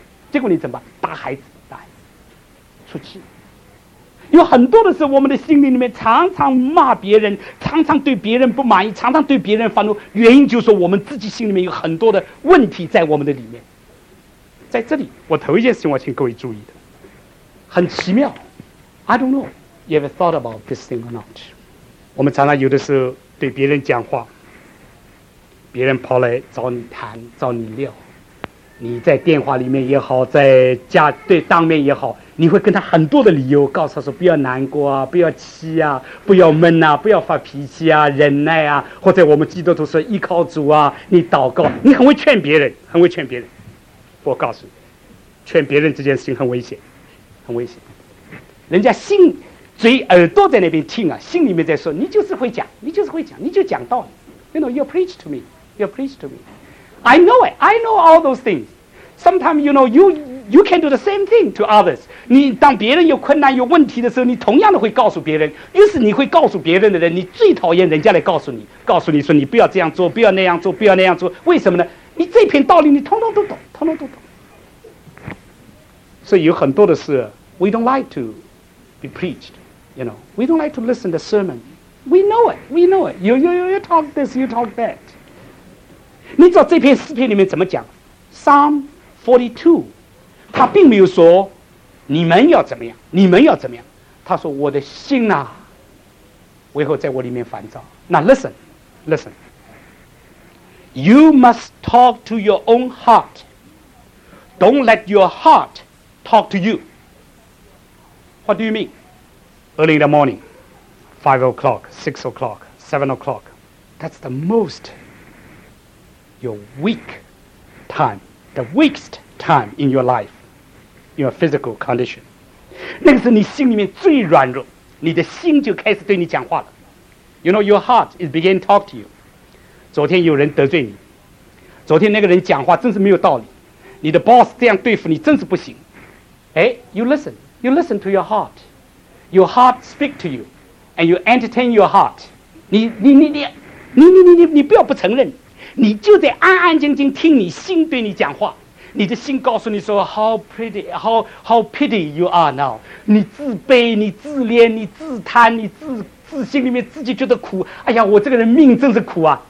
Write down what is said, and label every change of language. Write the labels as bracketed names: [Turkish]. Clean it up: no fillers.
[Chinese] 结果你怎么打孩子？打孩子，出气。有很多的时候，我们的心灵里面常常骂别人，常常对别人不满意，常常对别人发怒，原因就是说我们自己心里面有很多的问题在我们的里面。在这里，我头一件事情我请各位注意的，很奇妙。 [English] I don't know, you ever thought about this thing or not? [Chinese] 我们常常有的时候对别人讲话，别人跑来找你谈，找你聊，你在电话里面也好，在家对当面也好，你会跟他很多的理由告诉他说，不要难过啊，不要气啊，不要闷啊，不要发脾气啊，忍耐啊，或者我们基督徒说依靠主啊，你祷告，你很会劝别人，很会劝别人。我告诉你，劝别人这件事情很危险，很危险。人家心嘴耳朵在那边听啊，心里面在说，你就是会讲，你就是会讲，你就讲道理。 [English] You know, you preach to me, you preach to me, I know it, I know all those things. Sometimes, you know, you can do the same thing to others. [Chinese] 你当别人有困难有问题的时候，你同样的会告诉别人，于是你会告诉别人的人，你最讨厌人家来告诉你，告诉你说你不要这样做，不要那样做，不要那样做。为什么呢？你这篇道理你通通都懂，通通都懂。所以有很多的事 [English] we don't like to be preached, you know, we don't like to listen to the sermon. We know it, we know it. You talk this, you talk that. [Chinese] 你知道这篇诗篇里面怎么讲？Psalm 42, 他并没有说你们要怎么样，你们要怎么样。他说我的心啊，为何在我里面烦躁。 [English] Now listen, listen. You must talk to your own heart. Don't let your heart talk to you. What do you mean? Early in the morning, 5 o'clock, 6 o'clock, 7 o'clock. That's the most, your weak time, the weakest time in your life, your physical condition. [Chinese] 那个是你心里面最软弱，你的心就开始对你讲话了。 [English] You know, your heart is beginning to talk to you. [Chinese] 昨天有人得罪你，昨天那个人讲话真是没有道理，你的 boss 这样对付你真是不行。 [English] 哎， you listen to your heart, your heart speak to you, and you entertain your heart. [Chinese] 你不要不承认，你就得安安静静听你心对你讲话。你的心告诉你说 [English] how pity you are now. [Chinese] 你自卑，你自怜，你自贪，你自。自心里面自己觉得苦，哎呀，我这个人命真是苦啊！